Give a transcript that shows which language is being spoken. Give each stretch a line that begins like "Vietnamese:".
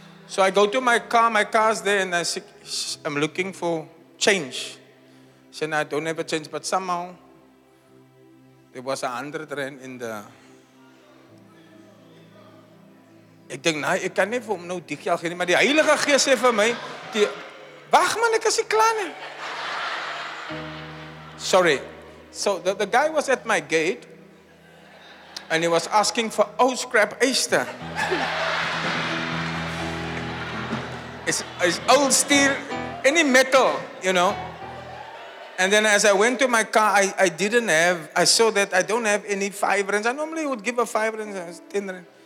English: So I go to my car's there, and I say, I'm looking for change. So now I don't have a change, but somehow, there was 100 rand in the.
Afrikaans: Ek dink, nee, ek kan nie vir hom nou die geld gee nie, maar die Heilige Gees sê vir my, wag man, ek is nie klaar nie.
English: Sorry. So the guy was at my gate, and he was asking for old scrap Easter. It's old steel, any metal, you know. And then as I went to my car, I saw that I don't have any 5 rands. I normally would give a 5 rands, 10 rand.